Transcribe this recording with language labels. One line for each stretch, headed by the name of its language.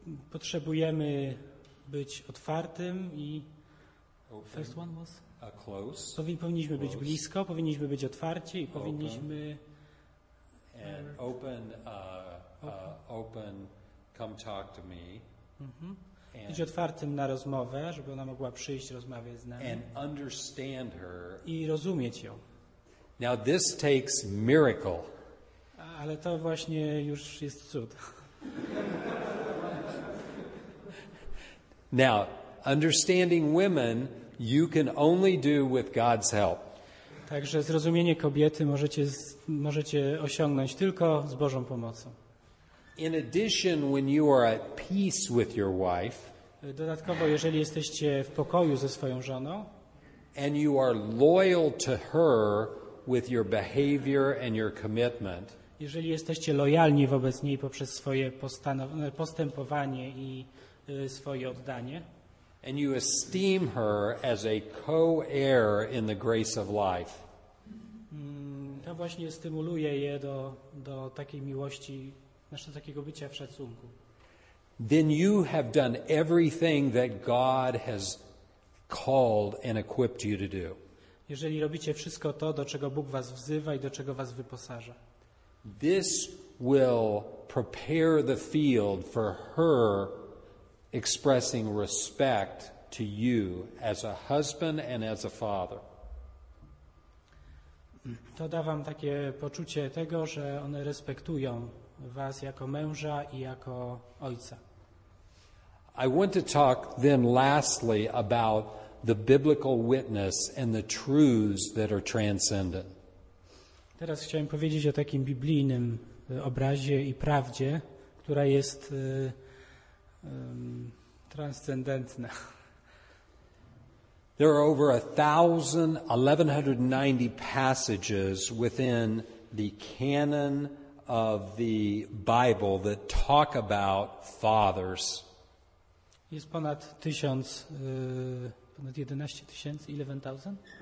Polish: Potrzebujemy być otwartym i.
English: Open. First one was. Close.
Polish: Powinniśmy close. Być blisko, powinniśmy być otwarci i powinniśmy
English: open. And open, come talk to me.
Polish: Być otwartym na rozmowę, żeby ona mogła przyjść, rozmawiać z nami.
English: And understand her.
Polish: I rozumieć ją.
English: Now this takes miracle.
Polish: Ale to właśnie już jest cud.
English: Now, understanding women you can only do with God's help.
Polish: Także zrozumienie kobiety możecie osiągnąć tylko z Bożą pomocą.
English: In addition, when you are at peace with your wife,
Polish: dodatkowo jeżeli jesteście w pokoju ze swoją żoną,
English: and you are loyal to her with your behavior and your commitment,
Polish: jeżeli jesteście lojalni wobec niej poprzez swoje postępowanie i swoje oddanie,
English: and you esteem her as a co-heir in the grace of life.
Polish: To właśnie stymuluje je do takiej miłości, znaczy takiego bycia w szacunku.
English: Then you have done everything that God has called and equipped you to do.
Polish: Jeżeli robicie wszystko to, do czego Bóg was wzywa i do czego was wyposaża.
English: This will prepare the field for her expressing respect to you as a husband and as a father.
Polish: To da wam takie poczucie tego, że one respektują was jako męża i jako ojca.
English: I want to talk then lastly about the biblical witness and the truths that are transcendent.
Polish: Teraz chciałem powiedzieć o takim biblijnym obrazie i prawdzie, która jest transcendentna.
English: There are over 1,190 passages within the canon of the Bible that talk about fathers.
Polish: Jest ponad 1000, ponad 11 tysięcy, 11,000?